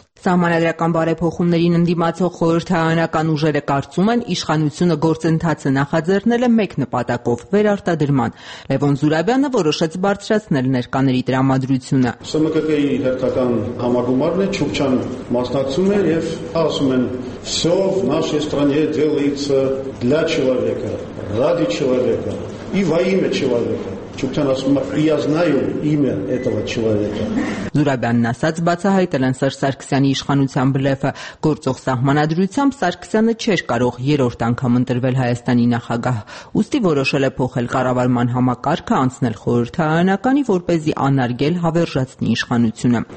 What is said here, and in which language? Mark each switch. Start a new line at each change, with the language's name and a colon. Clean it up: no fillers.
Armenian: Սահմանադրական բարեփոխումներին ընդդիմացող խորհրդարանական ուժերը կարծում են, իշխանությունը գործընթացը նախաձեռնել է մեկ նպատակով՝ վերարտադրման։ Լևոն Զուրաբյանը որոշեց բարձրացնել ներկաների տրամադրությունը։ ՍՄԿԿ-ի հերթական համագումարն է, Չուկչան մասնակցում է եւ ասում են.
Russian: «Всё в нашей стране делается для человека, ради человека и во имя человека».
Armenian: Չուկչան ասում է.
Russian: «Я знаю имя этого человека».
Armenian: Զուրաբյանն ասաց, բացահայտել են Սերժ Սարգսյանի իշխանության բլեֆը, գործող սահմանադրությամբ Սարգսյանը չէր կարող երրորդ անգամ ընտրվել Հայաստանի նախագահ, ուստի որոշել է փոխել կառավարման համակարգը, անցնել խորհրդարանականի, որպեսզի անարգել հավերժացնի իշխանությունը։